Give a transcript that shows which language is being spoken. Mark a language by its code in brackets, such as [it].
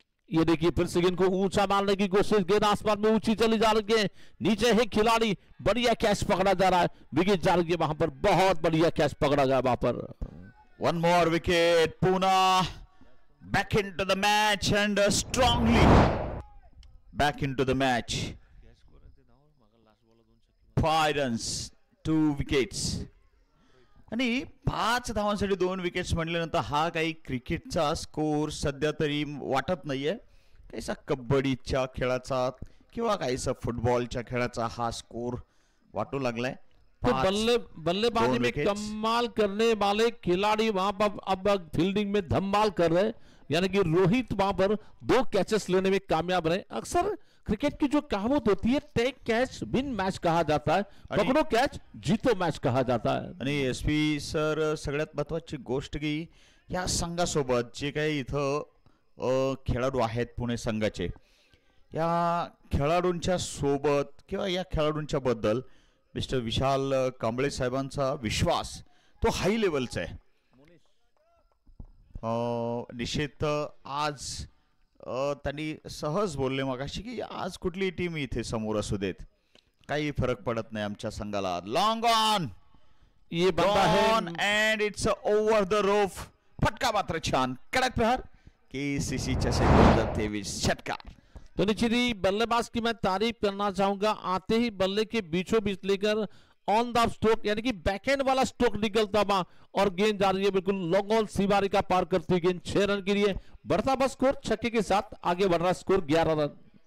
[hi] ये देखिए फिर से गेंद को ऊंचा मारने की कोशिश, गेंद आसमान में ऊंची चली जा रही है, नीचे है खिलाड़ी, बढ़िया कैच पकड़ा जा रहा है, विकेट जा रही है वहां पर, बहुत बढ़िया कैच पकड़ा गया वहां पर। [en] One more wicket, Poona back into the match and strongly back into the match. [mr] 5 runs 2 wickets आणि 5 धावांसाठी 2 विकेट्स म्हटल्यानंतर हा काही क्रिकेटचा स्कोर सध्या तरी वाटत नाहीये, कैसा कबड्डीच्या खेळाचा किंवा काहीसा फुटबॉलच्या खेळाचा हा स्कोर वाटू लागलाय। [hi] बल्लेबाजी में कमाल करने वाले खिलाड़ी वहां पर अब फील्डिंग में धमाल कर रहे, यानी कि रोहित वहां पर 2 कैचेस लेने में कामयाब रहे। अक्सर क्रिकेट की जो कहावत होती है टेक कैच विन मैच कहा जाता है, पकड़ो कैच जीतो मैच कहा जाता है। [mr] आणि एसपी सर सगळ्यात महत्त्वाची गोष्ट की या संघासोबत जे काही इथं खेळाडू आहेत पुणे संघाचे, या खेळाडूंच्या सोबत किंवा या खेळाडूंच्या बद्दल मिस्टर विशाल कांबळे साहेबांचा विश्वास तो हाई लेवलचा आहे। निश्चित आज त्यांनी सहज बोलले मगाशी की आज कुठली टीम इथे समोर असू देत काही फरक पडत नाही आमच्या संघाला। [en] long on, [hi] ये बंदा है [en] on and it's over the roof, [mr] फटका मात्र छान कडक प्रहार केसीसी चषकबंदर 23 षटकार। [hi] तो निश्चित ही बल्लेबाज की मैं तारीफ करना चाहूंगा, आते ही बल्ले के बीचों बीच लेकर ऑन द स्ट्रोक यानी कि बैकहैंड वाला स्ट्रोक निकलता हुआ और गेंद जा रही है बिल्कुल लॉन्ग ऑन सीमारी का पार करती गेंद 6 रन के लिए, बढ़ता हुआ स्कोर छक्के के साथ आगे बढ़ रहा स्कोर 11 रन।